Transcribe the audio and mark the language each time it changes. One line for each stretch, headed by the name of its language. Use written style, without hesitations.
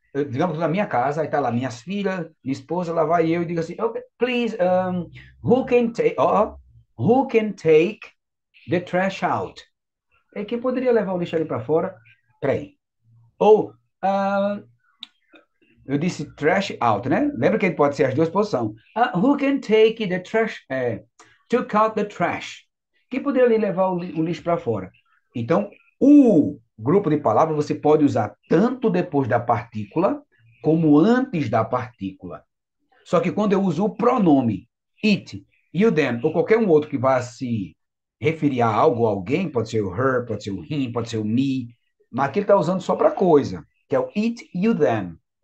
Portuguese: digamos, na minha casa, aí está lá minhas filhas, minha esposa, lá vai eu e digo assim,
English: okay, please, who can take... Who can take... The trash out.
Portuguese: É quem poderia levar o lixo ali para fora? Peraí. Ou, eu disse trash out, né? Lembra que pode ser as duas posições.
English: Who can take the trash, took out the trash.
Portuguese: Quem poderia ali levar o lixo para fora? Então, o grupo de palavras você pode usar tanto depois da partícula como antes da partícula. Só que quando eu uso o pronome it, you, them, ou qualquer um outro que vá se referir a algo, a alguém, pode ser o her, pode ser o him, pode ser o me, mas aqui ele está usando só para coisa, que é o it, you, them.